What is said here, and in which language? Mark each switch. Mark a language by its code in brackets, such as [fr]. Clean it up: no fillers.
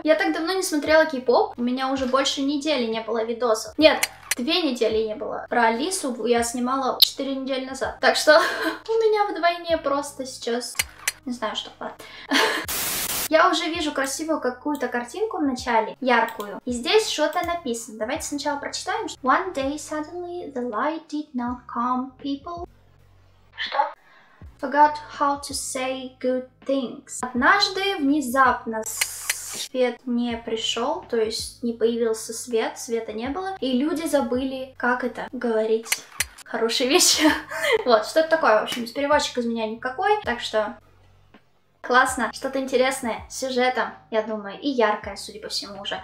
[ru] Я так давно не смотрела кей-поп, у меня уже больше недели не было видосов. Нет. Две недели не было. Про Алису я снимала 4 недели назад. Так что у меня вдвойне просто сейчас... Не знаю, что. Я уже вижу красивую какую-то картинку в начале, яркую. И здесь что-то написано. Давайте сначала прочитаем. [en] One day suddenly the light did not come, people. [ru] Что? [en] Forgot how to say good things. [ru] Однажды внезапно... Свет не пришел, то есть не появился свет, света не было. И люди забыли, как это говорить. Хорошие вещи. Вот, что это такое, в общем, переводчик из меня никакой. Так что, классно, что-то интересное с сюжетом, я думаю, и яркое, судя по всему, уже.